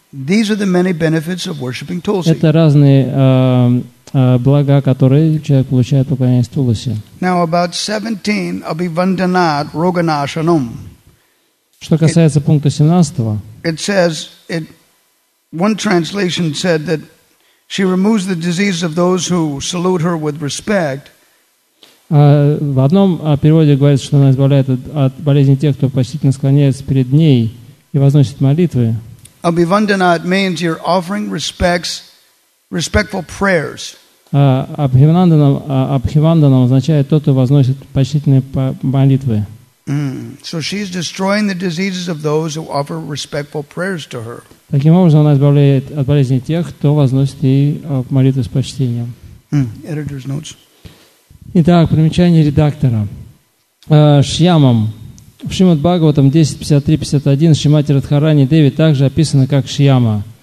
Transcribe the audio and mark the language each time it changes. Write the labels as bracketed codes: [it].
[en] These are the many benefits of worshiping Tulsi. [ru] Это разные блага, которые человек получает, поклоняясь Тулси. [en] Now about 17, Abhivandanat Roganashanam. [ru] Что касается пункта 17. [en] It says, one translation said that she removes the disease of those who salute her with respect. [ru] В одном переводе говорится, что она избавляет от болезни тех, кто почтительно склоняется перед ней и возносит молитвы. [en] Abhivandanat means you're offering respects, respectful prayers. [ru] Abhivandanam означает тот, кто возносит почтительные молитвы. [en] So she's destroying the diseases of those who offer respectful prayers to her. [ru] Таким образом, она избавляет от болезни тех, кто возносит ей молитвы с почтением. [en] Editor's notes. [ru] Итак, примечание редактора. Шьямам. В Шримад-Бхагаватам 10.53.51 Шримати Радхарани Деви также описано как Шьяма.